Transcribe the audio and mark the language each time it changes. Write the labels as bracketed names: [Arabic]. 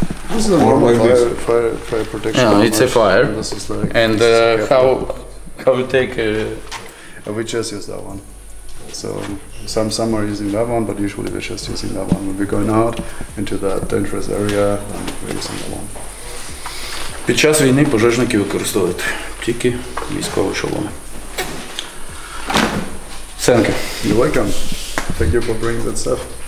[English] This is a normal fire protection. Yeah, it's a fire. This is like, and this is how we take a... We just use that one. So some are using that one, but usually we're just using that one. We're going out into that dangerous area and we're using that one. [Ukrainian] Під час війни пожежники використовують тільки військові шоломи. [English] Thank you. You're welcome. Thank you for bringing that stuff.